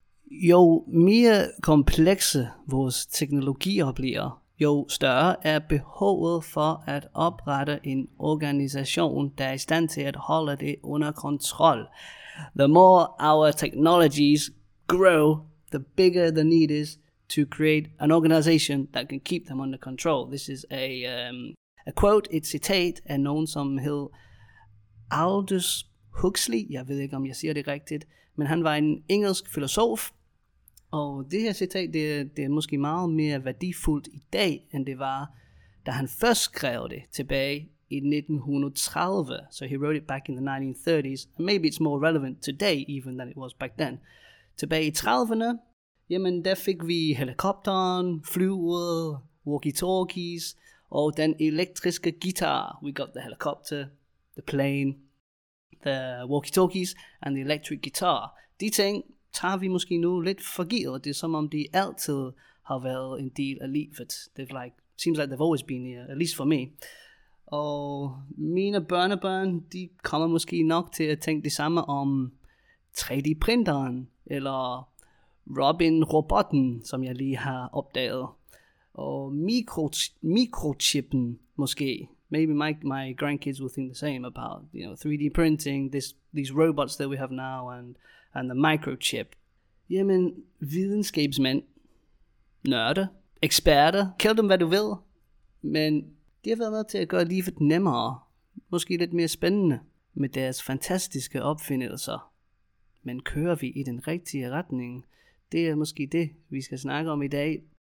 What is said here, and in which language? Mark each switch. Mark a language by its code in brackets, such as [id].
[da] Jo mere komplekse vores teknologier bliver, jo større er behovet for at oprette en organisation, der er i stand til at holde det under kontrol. [en] The more our technologies grow, the bigger the need is to create an organisation that can keep them under control. This is a quote, [da] et citat af nogen som hed Aldous Huxley, jeg ved ikke om jeg siger det rigtigt, men han var en engelsk filosof. Og det her citat, det er måske meget mere værdifuldt i dag, end det var, da han først skrev det tilbage i 1930. [en] So he wrote it back in the 1930s, and maybe it's more relevant today even than it was back then. [da] Tilbage i 30'erne, jamen der fik vi helikopteren, flyet, walkie-talkies, og den elektriske guitar. [en] We got the helicopter, the plane, the walkie-talkies, and the electric guitar. [da] De ting tager vi måske nu lidt for givet. Det er som om de altid har været en del af livet. [en] Seems like they've always been here, at least for me. [da] Og mine børnebørn, de kommer måske nok til at tænke det samme om 3D-printeren, eller Robin-robotten, som jeg lige har opdaget. Og mikrochippen måske. [en] Maybe my grandkids will think the same about, you know, 3D-printing, these robots that we have now, and the microchip. [da] Jamen, videnskabsmænd, nørder, eksperter, kald dem hvad du vil, men de har været med til at gøre livet nemmere, måske lidt mere spændende, med deres fantastiske opfindelser. Men kører vi i den rigtige retning? Det er måske det, vi skal snakke om i dag.